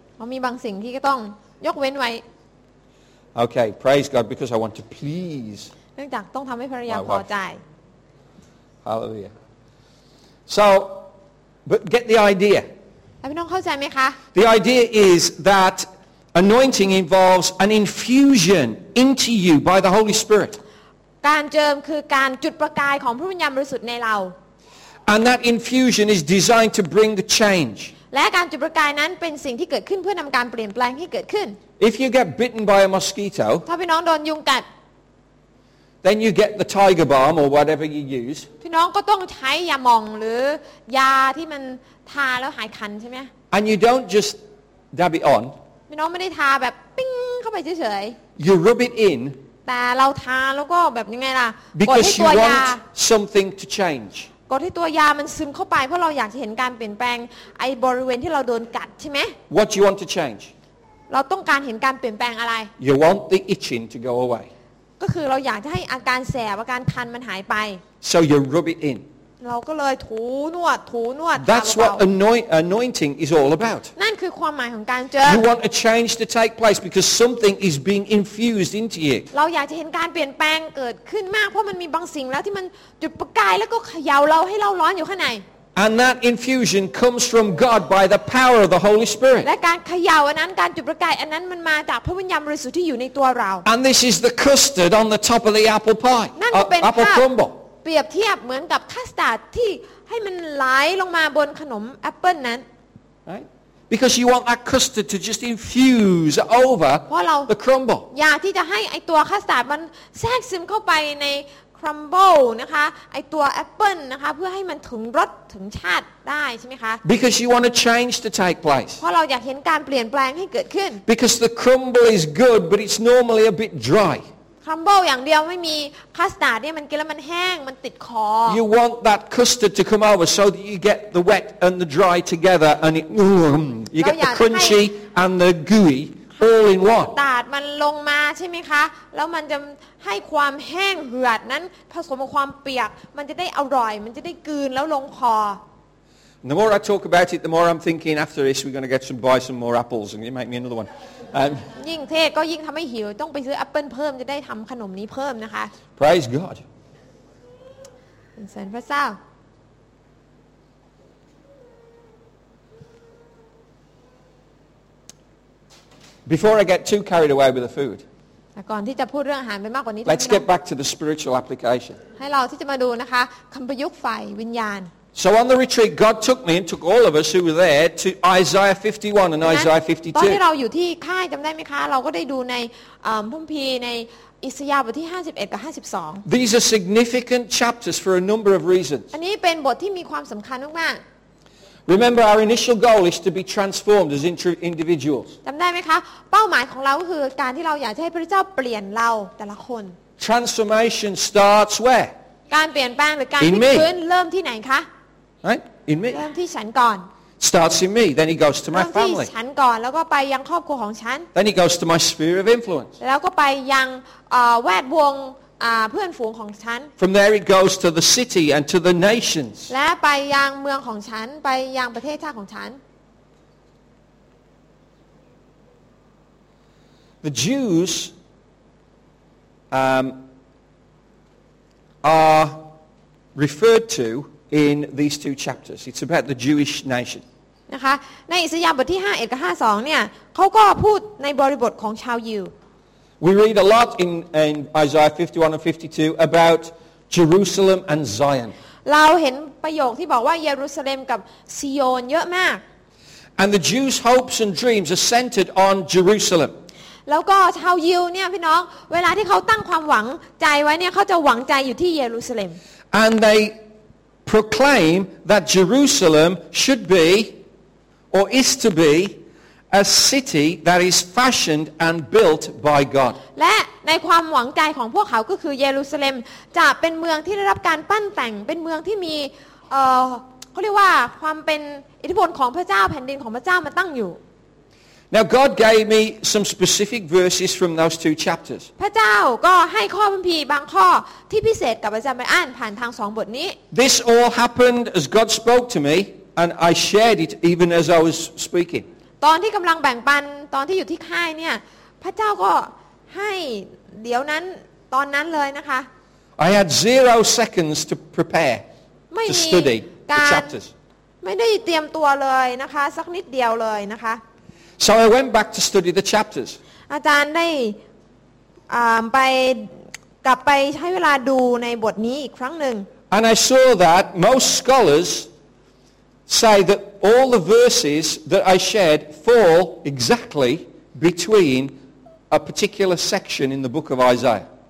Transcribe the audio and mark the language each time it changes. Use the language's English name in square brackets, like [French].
[Thai] เพราะมีบางสิ่งที่ก็ต้องยกเว้นไว้ [English] okay praise God because I want to please [Thai] เนื่องจากต้องทำให้ภรรยาพอใจ [English] hallelujah soBut get the idea. [Thai] ไม่ต้องเข้าใจไหมคะ [English] The idea is that anointing involves an infusion into you by the Holy Spirit. [Thai] การเจิมคือการจุดประกายของพระวิญญาณบริสุทธิ์ในเรา [English] And that infusion is designed to bring the change. [Thai] และการจุดประกายนั้นเป็นสิ่งที่เกิดขึ้นเพื่อนำการเปลี่ยนแปลงที่เกิดขึ้น [English] If you get bitten by a mosquito, [Thai] ถ้าพี่น้องโดนยุงกัด [English] Then you get the tiger balm or whatever you use. [Thai] พี่น้องก็ต้องใช้ยาหม่องหรือยาที่มันทาแล้วหายคันใช่ไหม [English] And you don't just dab it on. [Thai] พี่น้องไม่ได้ทาแบบปิ้งเข้าไปเฉย [English] ๆ You rub it in. [Thai] แต่เราทาแล้วก็แบบยังไงล่ะ [English] Because you want something to change. [Thai] กดให้ตัวยามันซึมเข้าไปเพราะเราอยากจะเห็นการเปลี่ยนแปลงไอ้บริเวณที่เราโดนกัดใช่ไหม [English] What you want to change? [Thai] เราต้องการเห็นการเปลี่ยนแปลงอะไร [English] You want the itching to go away. [Thai] ก็คือเราอยากจะให้อาการแสบอาการคันมันหายไป [English] So you rub it in [Thai] เราก็เลยถูนวด [English] That's what anointing is all about [Thai] นั่นคือความหมายของการเจิม [English] You want a change to take place because something is being infused into you [Thai] เราอยากจะเห็นการเปลี่ยนแปลงเกิดขึ้นมากเพราะมันมีบางสิ่งแล้วที่มันจุดประกายแล้วก็เขย่าเราให้เราร้อนอยู่ข้างใน [English] And that infusion comes from God by the power of the Holy Spirit. [Thai] และการเขย่าอันนั้นการจุดประกายอันนั้นมันมาจากพระวิญญาณบริสุทธิ์ที่อยู่ในตัวเรา [English] And this is the custard on the top of the apple pie. Apple crumble. [Thai] เปรียบเทียบเหมือนกับคัสตาร์ดที่ให้มันไหลลงมาบนขนมแอปเปิ้ลนั้น [English] Right? Because you want that custard to just infuse over the crumble. [Thai] อยากที่จะให้ไอ้ตัวคัสตาร์ดมันแทรกซึมเข้าไปในcrumble นะคะไอตัวแอปเปิ้ลนะคะเพื่อให้มันถึงรสถึงชาติได้ใช่มั้ยคะ [English] Because you want to change to take place [Thai] เพราะเราอยากเห็นการเปลี่ยนแปลงให้เกิดขึ้น [English] Because the crumble is good but it's normally a bit dry [Thai] crumble อย่างเดียวไม่มีคัสตาร์ดเนี่ยมันกินแล้วมันแห้งมันติดคอ [English] You want that custard to come over so that you get the wet and the dry together and it, you get the crunchy and the gooeyAll in one. [Thai] ตาดมันลงมาใช่ไหมคะแล้วมันจะให้ความแห้งเหือดนั้นผสมกับความเปียกมันจะได้อร่อยมันจะได้กลืนแล้วลงคอ [English] The more I talk about it, the more I'm thinking. After this, we're going to get some buy some more apples and make me another one. [Thai] ยิ่งเทศก็ยิ่งทำให้หิวต้องไปซื้อแอปเปิ้ลเพิ่มจะได้ทำขนมนี้เพิ่มนะคะ [English] Praise God. [Thai] เสริญพระเจ้า [English] Before I get too carried away with the food, [Thai] ก่อนที่จะพูดเรื่องอาหารไปมากกว่านี้ [English] Let's get back to the spiritual application. [Thai] ให้เราที่จะมาดูนะคะคำประยุกต์ฝ่ายวิญญาณ [English] So on the retreat, God took me and took all of us who were there to Isaiah 51 and Isaiah 52. [Thai] ตอนที่เราอยู่ที่ค่ายจำได้ไหมคะเราก็ได้ดูในพุ่มพีในอิสยาห์บทที่51กับ52 [English] These are significant chapters for a number of reasons. [Thai] อันนี้เป็นบทที่มีความสำคัญมาก [English] Remember, our initial goal is to be transformed as individuals. [Thai] จำได้ไหมคะเป้าหมายของเราคือการที่เราอยากให้พระเจ้าเปลี่ยนเราแต่ละคน [English] Transformation starts where? [Thai] การเปลี่ยนแปลงหรือการที่ ฟื้นเริ่มที่ไหนคะ [English] Right? In me. [Thai] เริ่มที่ฉันก่อน [English] Starts in me, then it goes to my family. [Thai] เริ่มที่ฉันก่อนแล้วก็ไปยังครอบครัวของฉัน [English] Then it goes to my sphere of influence. [Thai] แล้วก็ไปยังแวดวงเพื่อนฝูงของฉัน [English] From there it goes to the city and to the nations [Thai] และไปยังเมืองของฉันไปยังประเทศชาติของฉัน [English] The Jews are referred to in these two chapters. It's about the Jewish nation. [Thai] นะคะในอิสยาห์บทที่51กับ52เนี่ยเขาก็พูดในบริบทของชาวยิว [English] We read a lot in Isaiah 51 and 52 about Jerusalem and Zion. [Thai] เราเห็นประโยคที่บอกว่าเยรูซาเล็มกับซิโอนเยอะมาก [English] And the Jews' hopes and dreams are centered on Jerusalem. [Thai] แล้วก็ชาวยิวเนี่ยพี่น้องเวลาที่เขาตั้งความหวังใจไว้เนี่ยเขาจะหวังใจอยู่ที่เยรูซาเล็ม [English] And they proclaim that Jerusalem should be or is to be a city that is fashioned and built by God [Thai] และในความหวังใจของพวกเขาก็คือเยรูซาเล็มจะเป็นเมืองที่ได้รับการปั้นแต่งเป็นเมืองที่มีเขาเรียกว่าความเป็นอิทธิพลของพระเจ้าแผ่นดินของพระเจ้ามาตั้งอยู่ [English] Now God gave me some specific verses from those two chapters. [Thai] พระเจ้าก็ให้ข้อพระคัมภีร์บางข้อที่พิเศษกับอาจารย์ไปอ่านผ่านทาง2บทนี้ [English] This all happened as God spoke to me and I shared it even as I was speaking. [Thai] ตอนที่กำลังแบ่งปันตอนที่อยู่ที่ค่ายเนี่ยพระเจ้าก็ให้เดี๋ยวนั้นตอนนั้นเลยนะคะ [English] I had 0 seconds to prepare to study the chapters. [Thai] ไม่ได้เตรียมตัวเลยนะคะสักนิดเดียวเลยนะคะ [English] So I went back to study the chapters. [Thai] อาจารย์ได้ไปกลับไปใช้เวลาดูในบทนี้อีกครั้งหนึ่ง [English] And I saw that most scholars say that all the verses that I shared fall exactly between a particular section in the book of Isaiah.